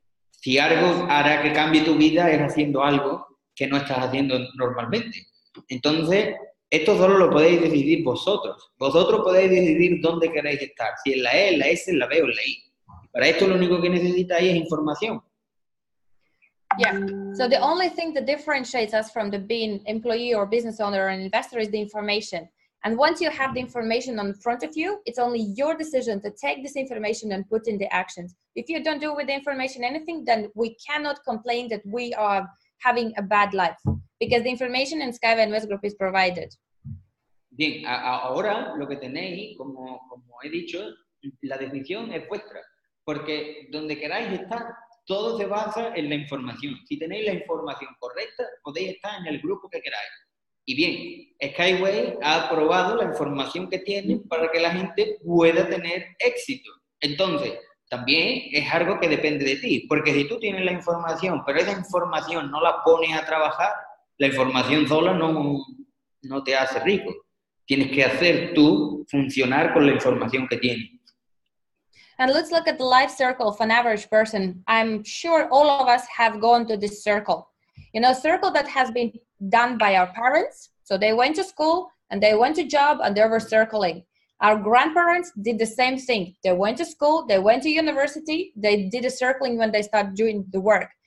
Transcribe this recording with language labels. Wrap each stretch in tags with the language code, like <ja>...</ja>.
<es>Si algo hará que cambie tu vida es haciendo algo que no estás haciendo normalmente. Entonces, esto solo lo podéis decidir vosotros. Vosotros podéis decidir dónde queréis estar. Si en la E, en la S, en la B o en la I. Para esto lo único que necesitáis es información.</es> <en>Yeah. So the only thing that differentiates us from the being employee or business owner or investor is the information. And once you have the information on front of you, it's only your decision to take this information and put in the actions. If you don't do with the information anything, then we cannot complain that we are having a bad life, because the information in SkyWay Invest Group is provided.</en> <es>Bien, ahora lo que tenéis, como he dicho, la decisión es vuestra, porque donde queráis estar, todo se basa en la información. Si tenéis la información correcta, podéis estar en el grupo que queráis. Y bien, SkyWay ha aprobado la información que tiene para que la gente pueda tener éxito. Entonces, también es algo que depende de ti, porque si tú tienes la información, pero esa información no la pones a trabajar, la información sola no te hace rico. Tienes que hacer tú funcionar con la información que tienes.</es> <en>And let's look at the life circle of an average person. I'm sure all of us have gone to this circle. You know, a circle that has been done by our parents. So they went to school and they went to job and they were circling. Our grandparents did the same thing. They went to school, they went to university, they did a circling when they started doing the work.</en>